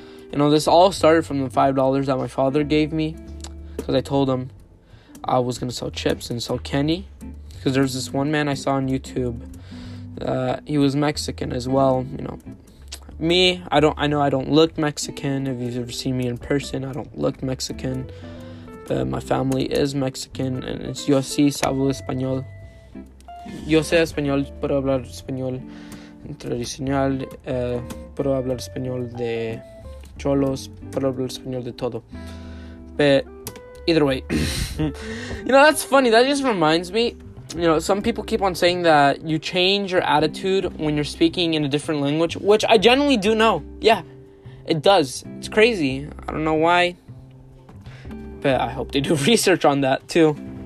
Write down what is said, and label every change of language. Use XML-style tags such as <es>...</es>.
<en>You know, this all started from the $5 that my father gave me. Because I told him I was going to sell chips and sell candy. Because there's this one man I saw on YouTube. He was Mexican as well, you know. Me, I don't look Mexican. If you've ever seen me in person, I don't look Mexican. But my family is Mexican. And it's</en> <es>yo sí sabo español. Yo sé español, puedo hablar español tradicional. Puedo hablar español de cholos. Puedo hablar español de todo.</es> <en>But either way, you know, that's funny. That just reminds me, you know, some people keep on saying that you change your attitude when you're speaking in a different language, which I generally do know. Yeah, it does. It's crazy. I don't know why, but I hope they do research on that too.</en>